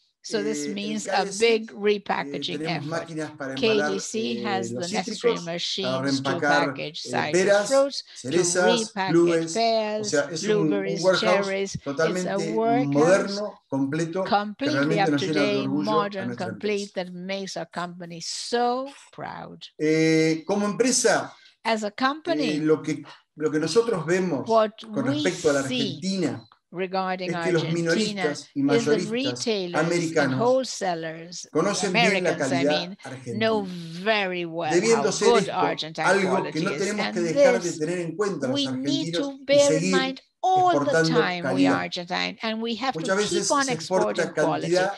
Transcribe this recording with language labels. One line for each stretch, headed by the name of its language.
English: So this means a big repackaging effort. KDC has the necessary machines to package citrus fruits, to repack pears, blueberries, cherries. It's a workhouse completely up to date, modern, complete, that makes our company so proud.
Spanish: Como empresa,
English: as a company,
Spanish: lo que nosotros vemos con respecto a la Argentina
English: regarding Argentina is that retailers and wholesalers, Americans, I mean, know very well how good Argentine quality is. And this, we need to bear in mind all the time we are Argentine, and we have to keep on exporting quality.